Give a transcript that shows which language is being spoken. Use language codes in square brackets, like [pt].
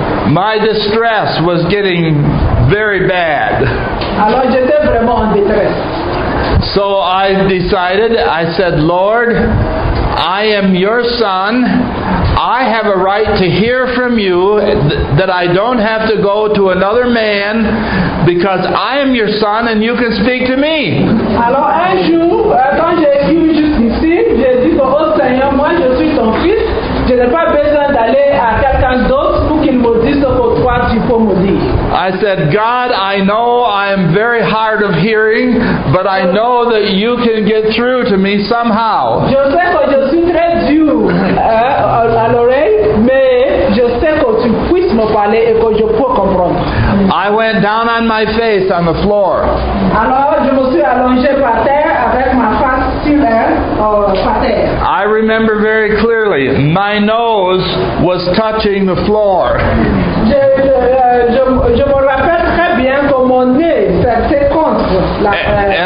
[en] My distress was getting very bad. [fr] Alors j'étais vraiment en détresse. [en] So I decided, I said, Lord, I am your son. I have a right to hear from you that I don't have to go to another man, because I am your son and you can speak to me. [fr] Alors un jour, quand j'ai écrit juste ici, j'ai dit, oh Seigneur, moi je suis ton fils. Je n'ai pas besoin d'aller à quelqu'un d'autre pour qu'il me dise ce que toi tu peux me dire. [en] I said, God, I know I am very hard of hearing, but I know that you can get through to me somehow. [fr] Je sais que je suis très dur à l'oreille, mais je sais que tu puisses me parler et que je peux comprendre. [en] I went down on my face on the floor. [fr] Alors, je me suis allongé par terre avec ma face sur terre. [en] I remember very clearly, my nose was touching the floor. [fr] Je me rappelle très bien que mon nez était contre la terre.